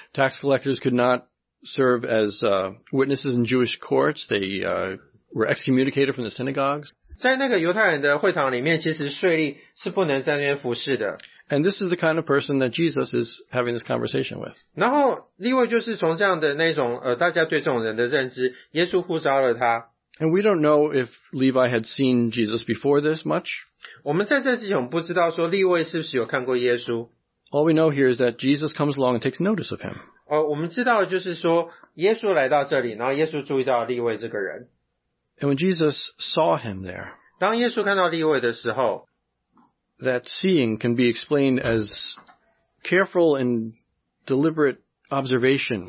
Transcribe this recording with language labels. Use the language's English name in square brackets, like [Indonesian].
[English] Tax collectors could not serve as witnesses in Jewish courts. They were excommunicated from the synagogues. [Chinese] 在那个犹太人的会堂里面，其实税吏是不能在那边服侍的。 [English] And this is the kind of person that Jesus is having this conversation with. [Chinese] 然后利未就是从这样的那种大家对这种人的认知，耶稣呼召了他。 [English] And we don't know if Levi had seen Jesus before this much. [Chinese] 我们在这之前不知道说利未是不是有看过耶稣。 [English] All we know here is that Jesus comes along and takes notice of him. [Chinese] 我们知道的就是说耶稣来到这里,然后耶稣注意到利未这个人。 [English] And when Jesus saw him there, [Chinese] 当耶稣看到利未的时候, [English] that seeing can be explained as careful and deliberate observation.